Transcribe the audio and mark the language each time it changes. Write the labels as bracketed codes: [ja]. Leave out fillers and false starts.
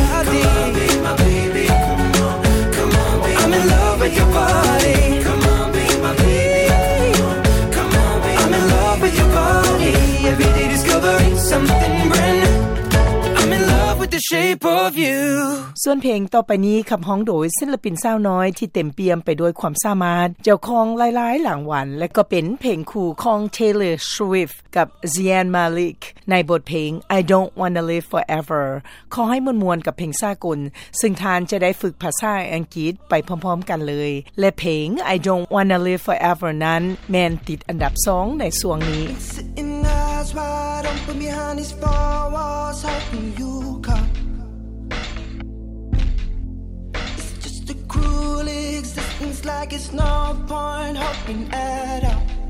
[en] Come on, be my baby, come on Come on, be I'm in love with your body Come on, be my baby, come on Come on, be I'm in love with your body Every day discovering something brand newThe shape of you [th] ส่วนเพลงต่อไปนี้ขับร้องโดยศิลปินสาวน้อยที่เต็มเปี่ยมไปด้วยความสามารถเจ้าของหลายๆรางวัลและก็เป็นเพลงคู่ของ Taylor Swift กับ Zayn Malik ในบทเพลง I Don't Wanna Live Forever ขอให้มวลๆกับเพลงสากลซึ่งทานจะได้ฝึกภาษาอังกฤษไปพร้อมๆกันเลยและเพลง I Don't Wanna Live Forever นั้นแม่นติดอันดับ2ในช่วงนี้ [en] that's why I don't put me behind these four walls, hoping you come. It's just a cruel existence, like it's no point hoping at all.